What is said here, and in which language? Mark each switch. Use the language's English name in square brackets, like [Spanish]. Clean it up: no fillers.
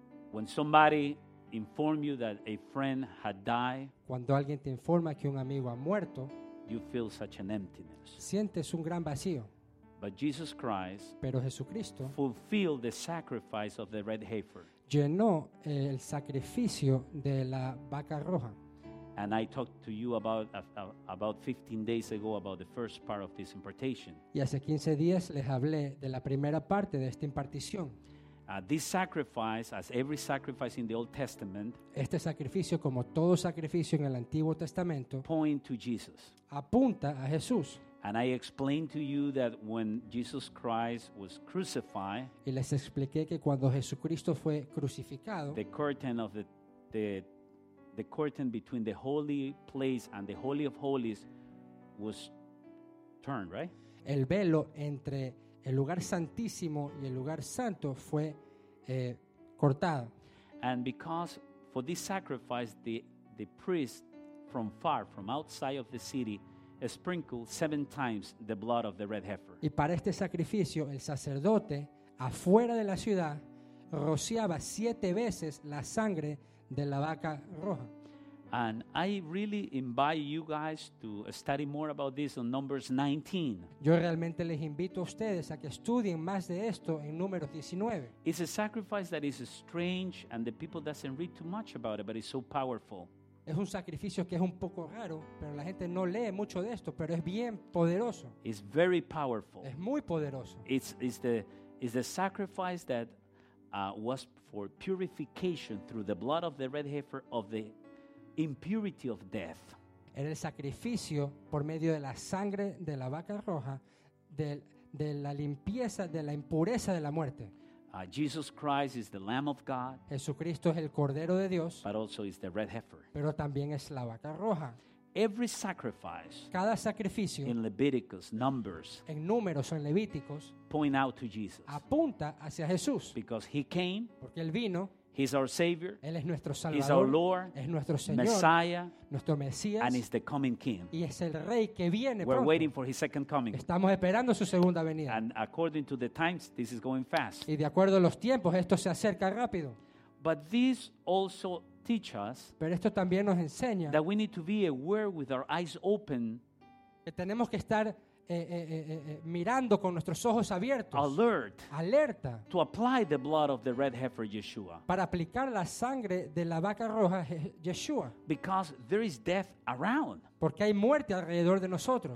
[English] When somebody informs you that a friend had died, [Spanish] cuando alguien te informa que un amigo ha muerto, [English] you feel such an emptiness. [Spanish] Sientes un gran vacío. [English] But Jesus Christ, [Spanish] pero Jesucristo, [English] fulfilled the sacrifice of the red heifer. [Spanish] Llenó el sacrificio de la vaca roja. [English] And I talked to you about 15 days ago about the first part of this impartation. [Spanish] Y hace 15 días les hablé de la primera parte de esta impartición. [English] This sacrifice, as every sacrifice in the Old Testament, [Spanish] este sacrificio, como todo sacrificio en el Antiguo Testamento, [English] point to Jesus. [Spanish] Apunta a Jesús. [English] And I explained to you that when Jesus Christ was crucified, [Spanish] y les expliqué que cuando Jesucristo fue crucificado, [English] the curtain between the holy place and the holy of holies was turned, right? [Spanish] El velo entre el lugar santísimo y el lugar santo fue cortado. [English] And because for this sacrifice, the priest from far, from outside of the city, sprinkled 7 times the blood of the red heifer. [Spanish] Y para este sacrificio, el sacerdote afuera de la ciudad rociaba 7 veces la sangre de la vaca roja. [English] And I really invite you guys to study more about this on Numbers 19. [Spanish] Yo realmente les invito a ustedes a que estudien más de esto en Números 19. [English] It's a sacrifice that is strange and the people doesn't read too much about it, but it's so powerful. [Spanish] Es un sacrificio que es un poco raro, pero la gente no lee mucho de esto, pero es bien poderoso. [English] It's very powerful. [Spanish] Es muy poderoso. [English] It's the sacrifice that was for purification through the blood of the red heifer of the impurity of death. [Spanish] En el sacrificio por medio de la sangre de la vaca roja de la limpieza de la impureza de la muerte. [English] Jesus Christ is the Lamb of God. [Spanish] Jesucristo es el Cordero de Dios. [English] But also is the red heifer. [Spanish] Pero también es la vaca roja. [English] Every sacrifice. [Spanish] Cada sacrificio. [English] In Leviticus, Numbers. [Spanish] En Números o en Levíticos. [English] Point out to Jesus. [Spanish] Apunta hacia Jesús. [English] Because he came. [Spanish] Porque él vino. [English] He's our Savior. [Spanish] Él es nuestro Salvador. [English] He's our Lord. [Spanish] Es nuestro Señor. [English] Messiah. [Spanish] Nuestro Mesías. [English] And he's the coming King. [Spanish] Y es el Rey que viene [English] We're [Spanish] pronto. [English] Waiting for his second coming. [Spanish] Estamos esperando su segunda venida. [English] And according to the times, this is going fast. [Spanish] Y de acuerdo a los tiempos, esto se acerca rápido. [English] But this also teach us. [Spanish] Pero esto también nos enseña. [English] That we need to be aware with our eyes open. [Spanish] Que tenemos que estar mirando con nuestros ojos abiertos, [English] alerta, to apply the blood of the red heifer Yeshua, [Spanish] para aplicar la sangre de la vaca roja Yeshua, [English] because there is death around, [Spanish] porque hay muerte alrededor de nosotros,